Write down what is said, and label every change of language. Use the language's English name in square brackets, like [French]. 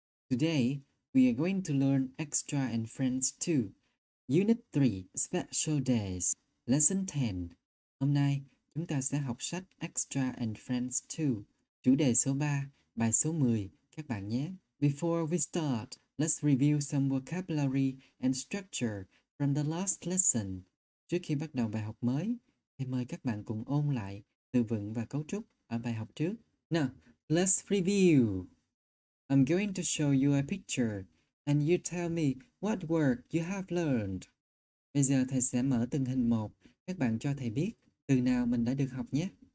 [English] Today, we are going to learn extra and friends too. Unit 3, Special Days, Lesson 10. [Vietnamese] Hôm nay, chúng ta sẽ học sách extra and friends too. Chủ đề số 3, bài số 10, các bạn nhé. [English] Before we start, let's review some vocabulary and structure from the last lesson. [Vietnamese] Trước khi bắt đầu bài học mới, thì mời các bạn cùng ôn lại từ vựng và cấu trúc ở bài học trước. [English] Now, let's review. I'm going to show you a picture, and you tell me what word you have learned. [Vietnamese] Bây giờ thầy sẽ mở từng hình một, các bạn cho thầy biết từ nào mình đã được học nhé.